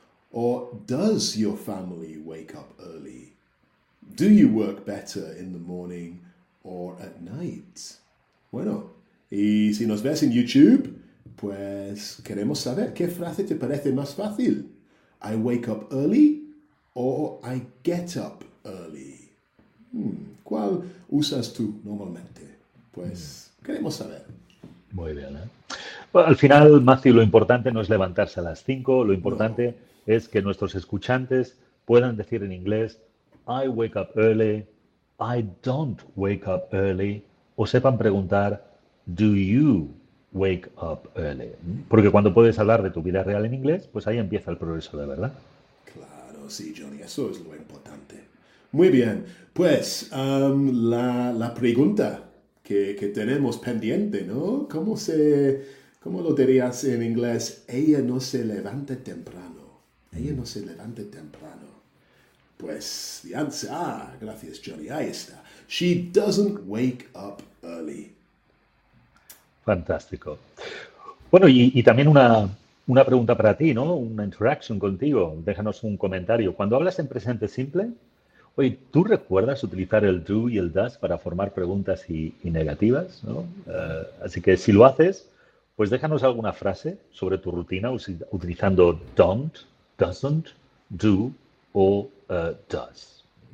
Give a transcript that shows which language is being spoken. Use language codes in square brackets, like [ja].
[en] Or does your family wake up early? Do you work better in the morning or at night? [es] Bueno, Y si nos ves en YouTube, pues queremos saber qué frase te parece más fácil. [en] ¿I wake up early o I get up early? [es] ¿Cuál usas tú normalmente? Pues queremos saber. Muy bien, ¿eh? Bueno, al final, Matthew, lo importante no es levantarse a las 5, lo No. importante es que nuestros escuchantes puedan decir en inglés, [en] I wake up early, [es] I don't wake up early, o sepan preguntar, [en] do you wake up early? [es] Porque cuando puedes hablar de tu vida real en inglés, pues ahí empieza el progreso de verdad. Claro, sí, Johnny, eso es lo importante. Muy bien, pues la pregunta que tenemos pendiente, ¿no? ¿Cómo lo dirías en inglés? Ella no se levanta temprano. Ella no se levanta temprano. Pues, [en] the answer, [es] gracias, Johnny, ahí está. [en] She doesn't wake up early. [es] Fantástico. Bueno, y también una pregunta para ti, ¿no? Una interacción contigo. Déjanos un comentario. Cuando hablas en presente simple, oye, ¿tú recuerdas utilizar el do y el does para formar preguntas y negativas, ¿no? Así que si lo haces, pues déjanos alguna frase sobre tu rutina utilizando don't, doesn't, do o does.